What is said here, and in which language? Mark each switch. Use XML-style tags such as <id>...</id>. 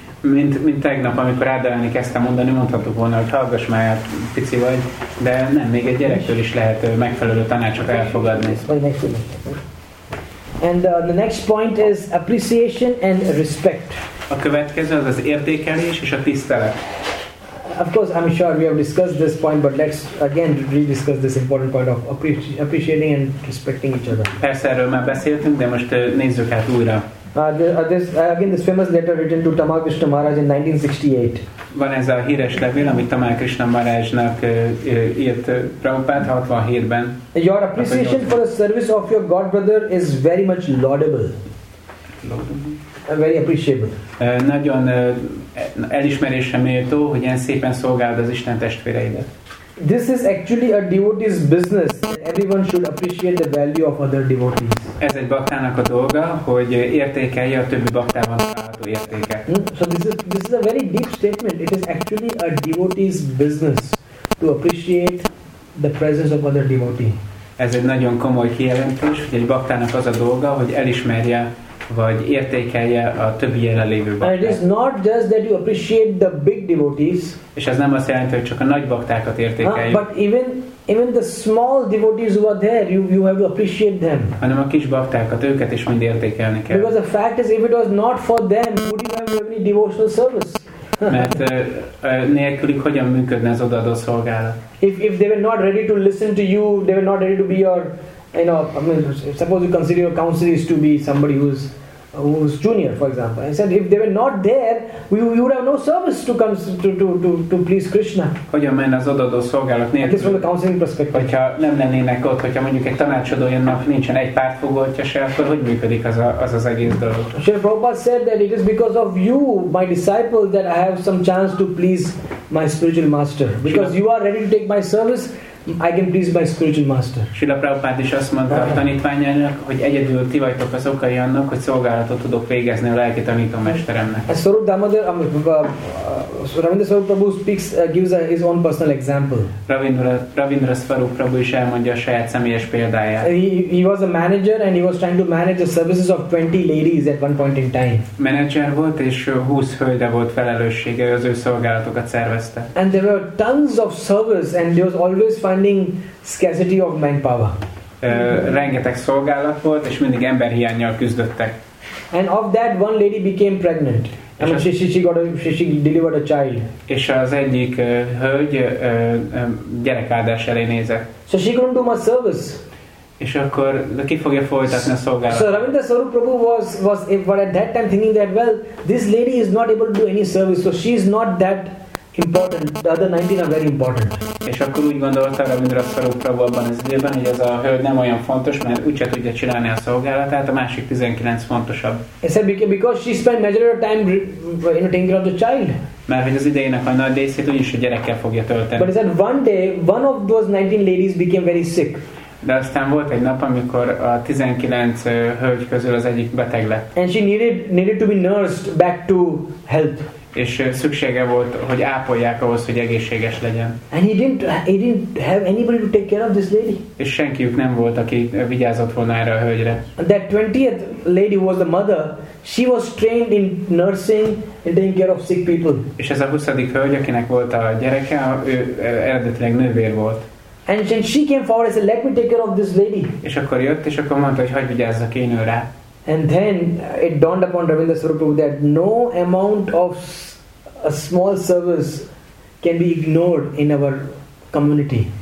<hu>Mint tegnap, amikor Radharani kezdtem mondani, mondhatok volna, hogy hallgass már, pici vagy, de nem, még egy gyerektől is lehet megfelelő tanácsot elfogadni.</hu> <en>And the next point is appreciation and respect.</en> <hu>A következő az értékelés és a tisztelet.</hu> <en>Of course, I'm sure we have discussed this point, but let's again rediscuss this important point of appreciating and respecting each other.</en> <hu>Persze, erről már beszéltünk, de most nézzük át újra.</hu> <en>Again, this famous letter written to Tamal Krishna Maharaj in 1968.</en> <hu>Van ez a híres levél, amit Tamal Krishna Maharajnak írt Prabhupád 67-ben.</hu> <en>Your appreciation for the service of your god brother is very much laudable. Very appreciable.</en> <hu>Nagyon elismerésre méltó, hogy ilyen szépen szolgáld az Isten testvéreidet.</hu> <en>This is actually a devotee's business. Everyone should appreciate the value of other devotees.</en> <hu>Ez egy baktának a dolga, hogy értékelje a többi baktában található értéket.</hu> <en>So this is a very deep statement. It is actually a devotee's business to appreciate the presence of other devotee.</en> <hu>Ez egy nagyon komoly kijelentés, hogy egy baktának az a dolga, hogy elismerje vagy értékelje a többi jelenlévő baktát.</hu> <en>And it is not just that you appreciate the big devotees.</en> <hu>És ez nem azt jelenti, hogy csak a nagy baktákat értékeljük.</hu> <en>But even the small devotees who are there, you have to appreciate them.</en> <hu>Hanem a kis baktákat, őket is mind értékelni kell.</hu> <en>Because the fact is, if it was not for them, would you have any devotional service?</en> <hu>Mert nélkülük hogyan működne az odaadó szolgálat?</hu> <en>If they were not ready to listen to you, they were not ready to be your, you know, I mean, suppose you consider your counselors to be somebody who's junior, for example. I said, if they were not there, you would have no service to come to please Krishna.</en> <hu>Hogyan menne az odaadó szolgálat nélkül?</hu> <en>At least from the counseling perspective.</en> <hu>Hogyha nem lennének ott, hogyha mondjuk egy tanácsadó jönnek, nincsen egy pártfogoltja se, akkor hogy működik az egész dolog?</hu> <en>Srila Prabhupada said that it is because of you, my disciple, that I have some chance to please my spiritual master. Because you are ready to take my service, I can please my spiritual master.</en> <hu>Srila Prabhupád is azt mondta a tanítványának, hogy egyedül ti vagytok az okai annak, hogy szolgálatot tudok végezni a lelki tanítómesteremnek.</hu> <en>Swarup Damodar, Ravindra Swarup Prabhu speaks, gives his own personal example.</en> <hu>Ravindra Swarup Prabhu is elmondja a saját személyes példáját.</hu> <en>He was a manager and he was trying to manage the services of 20 ladies at one point in time.</en> <hu>Manager volt és 20 hölgyre volt felelőssége, az ő szolgálatokat szervezte.</hu> <en>And there were tons of servers and there was always finding scarcity of manpower.</en> <hu>Rengeteg szolgálat volt és mindig emberhiánnyal küzdöttek.</hu> <en>And of that one lady became pregnant. She delivered a child.</en> <hu>És az egyik hölgy gyerekáldás elé nézett.</hu> <en>So she couldn't do much service.</en> <hu>És akkor ki fogja folytatni a szolgálatot?</hu> <en>So Ravindra Swarup Prabhu was at that time thinking that, well, this lady is not able to do any service, so she is not that important. The other 19 are very important.</en> <hu>És akkor úgy gondolta Ravindra Swarup Prabhu abban az időben, hogy ez a hölgy nem olyan fontos, mert úgyse tudja csinálni a szolgálatát, a másik 19 fontosabb.</hu> <en>Because she spent majority of time taking care of the child.</en> <hu>Mert hogy az idejének a nagy részét úgyis a gyerekkel fogja tölteni.</hu> <en>But he said one day, one of those 19 ladies became very sick.</en> <hu>De aztán volt egy nap, amikor a 19 hölgy közül az egyik beteg lett.</hu> <en>And she needed to be nursed back to health.</en> <hu>És szüksége volt, hogy ápolják ahhoz, hogy egészséges legyen.</hu> <en>And he didn't have anybody to take care of this lady.</en> <hu>És senkiük nem volt, aki vigyázott volna erre a hölgyre.</hu> <en>That 20th lady was the mother. She was trained in nursing and taking care of sick people.</en> <hu>És ez a 20. hölgy, akinek volt a gyereke, ő eredetileg nővér volt.</hu> <en>And then she came forward and said, "Let me take care of this lady."</en> <hu>És akkor jött, és akkor mondta, hogy hagyj vigyázzak én őre.</hu> <en>And then it dawned upon Ravindra Swarup Prabhu that no amount of a small service can be ignored in our community.</en>